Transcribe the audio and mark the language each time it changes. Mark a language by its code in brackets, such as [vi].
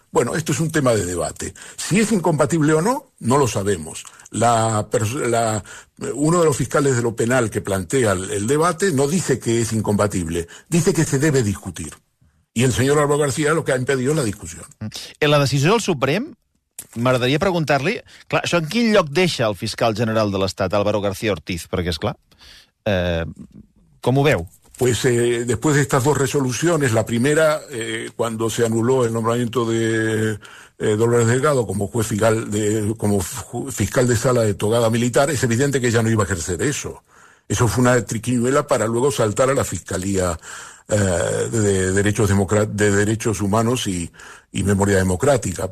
[es] Bueno, esto es un tema de debate. Si es incompatible o no, no lo sabemos. Uno de los fiscales de lo penal que plantea el debate no dice que es incompatible, dice que se debe discutir. Y el señor Álvaro García lo que ha impedido es la discusión. En la decisión del Suprem... [ca] M'agradaria preguntar-li, clar, això en quin lloc deixa el fiscal general de l'Estat, Álvaro García Ortiz, perquè, esclar, com ho veu? [es] Pues después de estas dos resoluciones, la primera, cuando se anuló el nombramiento de Dolores Delgado como juez fiscal fiscal de sala de togada militar, es evidente que ella no iba a ejercer eso. Eso fue una triquiñuela para luego saltar a la fiscalía de derechos humanos y memoria democrática.